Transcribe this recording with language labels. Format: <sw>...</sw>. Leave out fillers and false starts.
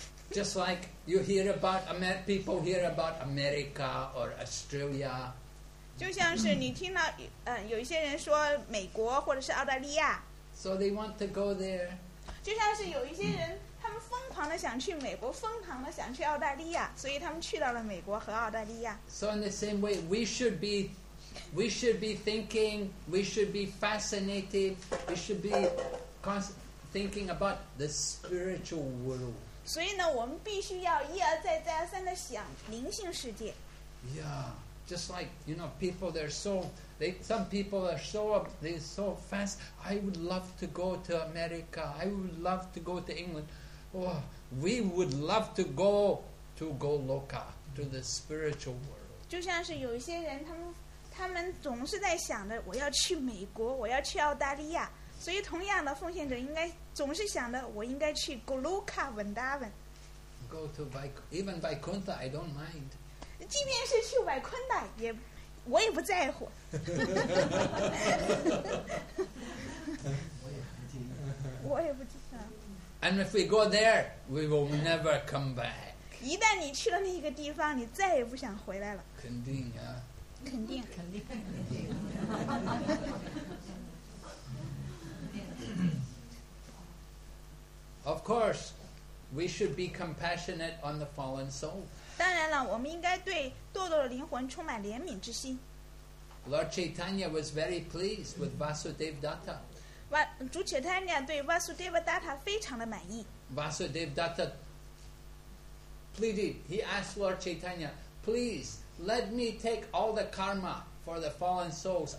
<en>Just like you hear about people hear about America or Australia.</en> <zh>就像是你听到，有一些人说美国或者是澳大利亚。</zh> <en>So they want to go there.</en> <zh>就像是有一些人，他们疯狂的想去美国，疯狂的想去澳大利亚，所以他们去到了美国和澳大利亚。</zh> <en>So in the same way, we should be thinking, we should be fascinated, we should be thinking about the spiritual world.</en> <zh>所以呢，我们必须要一而再、再而三的想灵性世界。</zh> <en>Yeah, just like you know, people they're so they some people are so they're so fast. I would love to go to America. I would love to go to England. Oh, we would love to go to Goloka to the spiritual world.</en> <zh>就像是有一些人，他们总是在想着我要去美国，我要去澳大利亚。所以同样的奉献者应该总是想着我应该去 Goloka Vrindavan</zh> <en>go to even Vaikuntha I don't mind</en> <zh>即便是去 Vaikuntha 也我也不在乎我也不知道</zh> <en>and if we go there we will never come back</en> <zh>一旦你去了那个地方你再也不想回来了肯定啊肯定肯定</zh> <en>Of course, we should be compassionate on the fallen soul.</en> <zh>当然了，我们应该对堕落的灵魂充满怜悯之心。</zh> <en>Lord Chaitanya was very pleased with Vasudev Datta.</en> <zh>主切坦尼亚对 Vasudev Datta 非常的满意。</zh> <en>Vasudev Datta pleaded. He asked Lord Chaitanya, "Please let me take all the karma for the fallen souls.</en>